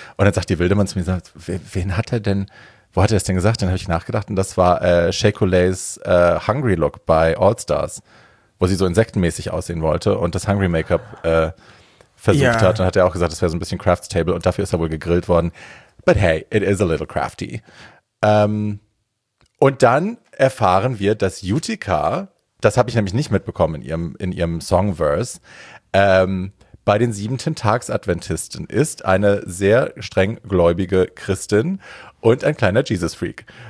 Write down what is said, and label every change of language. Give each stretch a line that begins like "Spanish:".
German: Und dann sagt die Wildemann zu mir, sagt, wen hat er denn, wo hat er das denn gesagt? Dann habe ich nachgedacht und das war Shea-Coulee's Hungry Look bei All Stars, wo sie so insektenmäßig aussehen wollte und das Hungry Make-up versucht hat. Und hat er auch gesagt, das wäre so ein bisschen Crafts Table und dafür ist er wohl gegrillt worden.
English: But hey, it is a little crafty.
German: Und dann erfahren wir, dass Utica, das habe ich nämlich nicht mitbekommen in ihrem Songverse, bei den Siebenten-Tags-Adventisten ist eine sehr streng gläubige Christin und ein kleiner Jesus-Freak.